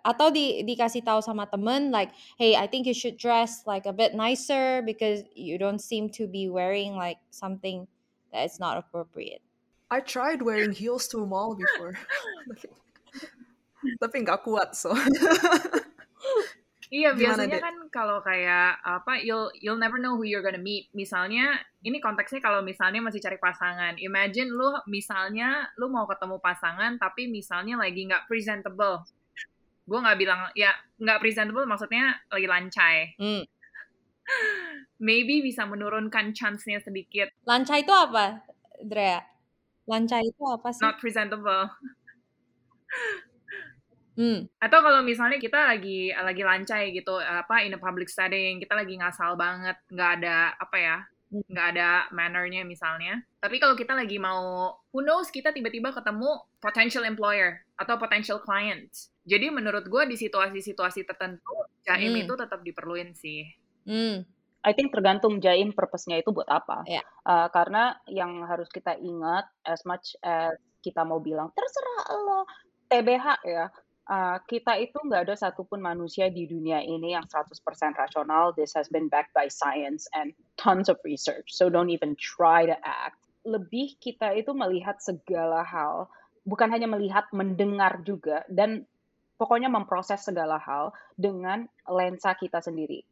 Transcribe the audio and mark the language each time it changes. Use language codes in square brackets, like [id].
[id] Atau dikasih tahu sama temen, [en] like, hey, I think you should dress like a bit nicer because you don't seem to be wearing like something that is not appropriate. I tried wearing heels to a mall before. [id] Tapi nggak kuat, so. Iya, biasanya kan kalau kayak, apa, [en] you'll never know who you're gonna meet. [id] Misalnya, ini konteksnya kalau misalnya masih cari pasangan. Imagine lu, misalnya, lu mau ketemu pasangan, tapi misalnya lagi nggak presentable. Gue nggak bilang, ya, nggak presentable maksudnya lagi lancai. Maybe bisa menurunkan chance-nya sedikit. Lancai itu apa, Drea? Lancai itu apa sih? [en] Not presentable. [id] Atau kalau misalnya kita lagi lancai gitu, apa, [en] in a public setting, [id] kita lagi ngasal banget, nggak ada apa ya, nggak ada mannernya misalnya. Tapi kalau kita lagi mau, [en] who knows, [id] kita tiba-tiba ketemu potential employer atau potential client. Jadi menurut gue di situasi-situasi tertentu, jaim itu tetap diperluin sih. [en] I think [id] tergantung jaim purpose-nya itu buat apa. [en] Yeah. [id] Karena yang harus kita ingat, [en] as much as [id] kita mau bilang, terserah lo, TBH ya, kita itu nggak ada satupun manusia di dunia ini yang 100% rasional. [en] This has been backed by science and tons of research. So don't even try to act. [id] Lebih kita itu melihat segala hal, bukan hanya melihat, mendengar juga, dan pokoknya memproses segala hal dengan lensa kita sendiri.